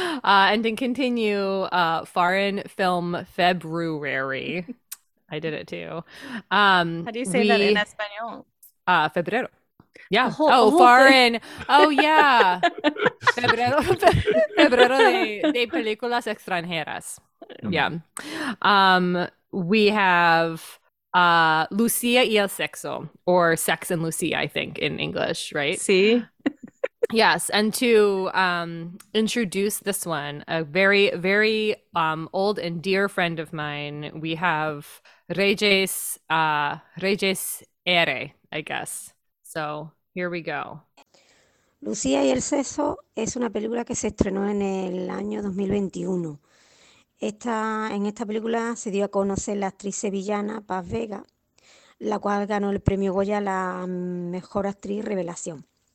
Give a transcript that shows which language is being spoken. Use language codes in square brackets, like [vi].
[en] And to continue Foreign Film February. I did it too. How do you say that in Espanol? [es] Febrero. [en] Yeah. Foreign. Oh yeah. [es] Febrero de películas extranjeras. [en] Yeah. We have Lucia y el Sexo, or Sex and Lucia, I think, in English, right? See? Yes. And to introduce this one, a very, very old and dear friend of mine, we have Reyes Ere, I guess. So here we go. [es] Lucía y el Sexo es una película que se estrenó en el año 2021. En esta película se dio a conocer la actriz sevillana Paz Vega, la cual ganó el premio Goya a la mejor actriz revelación.